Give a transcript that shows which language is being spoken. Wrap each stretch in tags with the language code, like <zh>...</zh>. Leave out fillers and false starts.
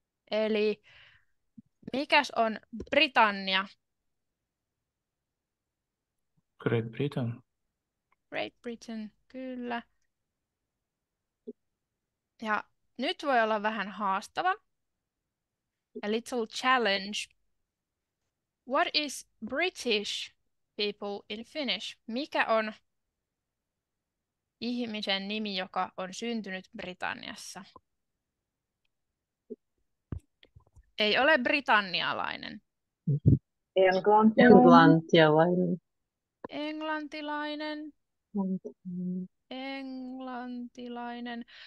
<fi>Eli mikäs on Britannia?</fi> <en>Great Britain. Great Britain,</en> <fi>kyllä. Ja nyt voi olla vähän haastava.</fi> <en>A little challenge. What is British people in Finnish?</en> <fi>Mikä on ihmisen nimi, joka on syntynyt Britanniassa? Ei ole britannialainen. Englantilainen. Englantilainen. Englantilainen.</fi>